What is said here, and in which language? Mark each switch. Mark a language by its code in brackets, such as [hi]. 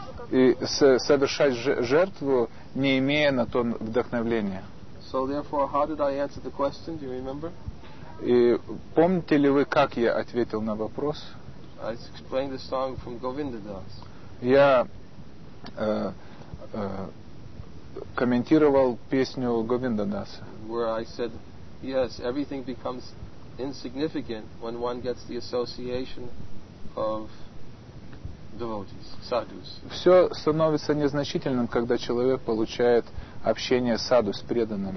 [ru] И совершать жертву, не имея на то вдохновления. [en] So therefore, how did I answer the question? Do you remember? [ru] И помните ли вы, как я ответил на вопрос? [en] I explained the song from Govinda Das. [ru] Я комментировал песню Говинда Даса. [en] Where I said, yes, everything becomes insignificant when one gets the association of devotees, sadhus. [ru] Все становится незначительным, когда человек получает общение саду с преданными.